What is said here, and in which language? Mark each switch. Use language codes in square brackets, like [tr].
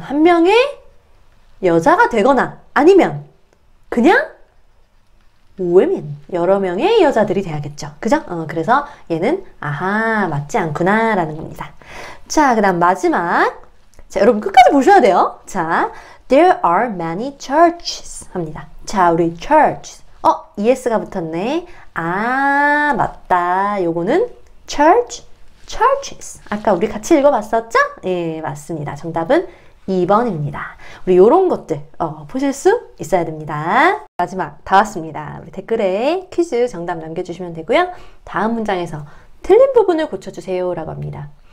[ko] 한 명의 여자가 되거나 아니면 그냥 women. 여러 명의 여자들이 돼야겠죠. 그죠? 어, 그래서 얘는 아하, 맞지 않구나라는 겁니다. 자, 그다음 마지막. 자, 여러분 끝까지 보셔야 돼요. [en] 자, there are many churches 합니다. [ko] 자, 우리 church. 어, ES가 붙었네. 아, 맞다. 요거는 church, churches. 아까 우리 같이 읽어봤었죠? 예, 맞습니다. 정답은 2번입니다. 우리 요런 것들, 보실 수 있어야 됩니다. 마지막, 다 왔습니다. 우리 댓글에 퀴즈 정답 남겨주시면 되고요. 다음 문장에서 틀린 부분을 고쳐주세요라고 합니다.